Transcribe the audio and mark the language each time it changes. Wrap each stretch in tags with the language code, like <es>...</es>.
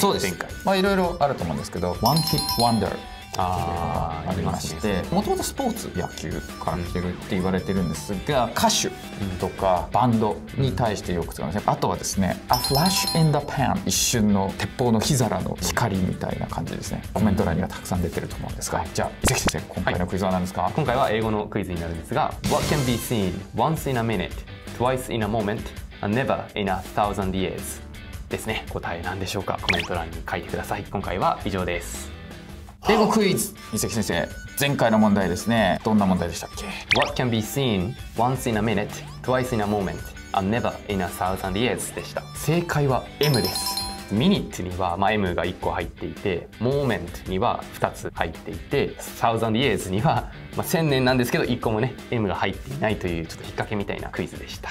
<ja>そうです、前回、まあ、いろいろあると思うんですけど、ワンヒットワンダーありまして、もともとスポーツ野球から来てるって言われてるんですが、歌手とかバンドに対してよく使うんですね。あとはですね、 A flash in the pan、 一瞬の鉄砲の火皿の光みたいな感じですね。コメント欄にはたくさん出てると思うんですが、じゃあ伊勢先生、今回のクイズは何ですか？はい、今回は英語のクイズになるんですが、</ja> <en>What can be seen once in a minute, twice in a moment, and never in a thousand years</en> <ja>ですね。答え何でしょうか？コメント欄に書いてください。今回は以上です。英語クイズ、伊勢先生、前回の問題ですね、どんな問題でしたっけ？</ja> <en>What can be seen once in a minute, twice in a moment, and never in a thousand years</en> <ja>でした。正解は M です。 minute には、まあ、M が1個入っていて、 moment には2つ入っていて、 thousand years には、まあ、千年なんですけど1個もね M が入っていないという、ちょっと引っ掛けみたいなクイズでした。</ja>